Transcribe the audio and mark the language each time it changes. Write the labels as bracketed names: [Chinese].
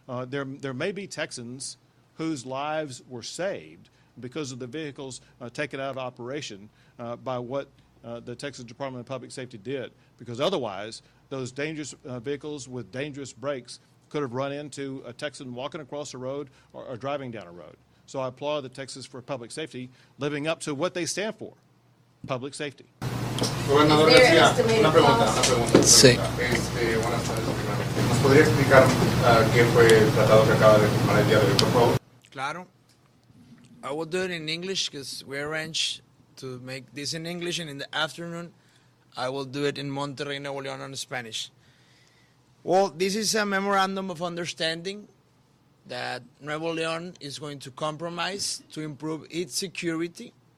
[English] There may be Texans whose lives were saved because of the vehicles taken out of operation by what the Texas Department of Public Safety did, because otherwise those dangerous vehicles with dangerous brakes could have run into a Texan walking across the road or driving down a road. So I applaud the Texas for public safety, living up to what they stand for, public safety. [Spanish] Gobernador García, una pregunta. ¿Nos podría explicar qué fue el tratado que acaba de firmar el día de hoy, por favor? Claro. [English] I will do it in English because we arranged to make this in English, and in the afternoon I will do it in Monterrey, Nuevo León, in Spanish. Well, this is a memorandum of understanding that Nuevo León is going to compromise to improve its security.